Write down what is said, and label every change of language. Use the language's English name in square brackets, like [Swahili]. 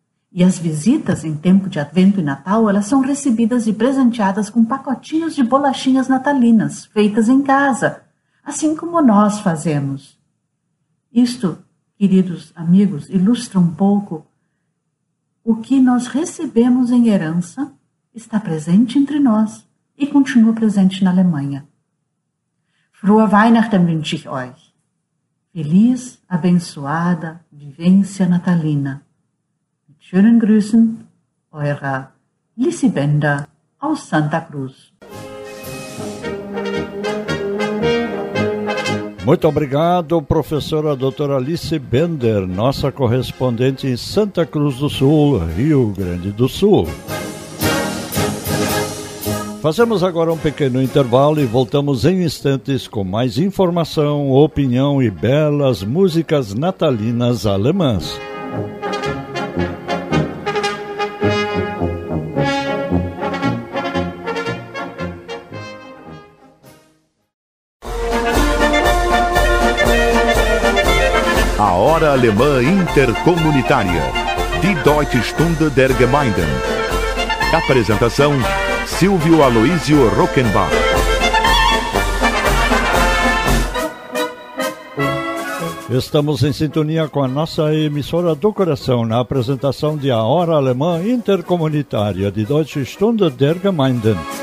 [Portuguese] E as visitas em tempo de Advento e Natal, elas são recebidas e presenteadas com pacotinhos de bolachinhas natalinas, feitas em casa, assim como nós fazemos. Isto, queridos amigos, ilustra um pouco o que nós recebemos em herança, está presente entre nós e continua presente na Alemanha. [German] Frohe Weihnachten wünsche ich euch. [Portuguese] Feliz, abençoada, vivência natalina. [German] Mit schönen Grüßen, eurer Lissi Bender aus Santa Cruz. [Portuguese] Muito obrigado, professora doutora Lissi Bender, nossa correspondente em Santa Cruz do Sul, Rio Grande do Sul. Fazemos agora um pequeno intervalo e voltamos em instantes com mais informação, opinião e belas músicas natalinas alemãs. A Hora Alemã Intercomunitária. [German] Die Deutsche Stunde der Gemeinden. [Portuguese] Apresentação Silvio Aloísio Rockenbach. Estamos em sintonia com a nossa emissora do coração na apresentação de A Hora Alemã Intercomunitária de Deutsche Stunde der Gemeinden.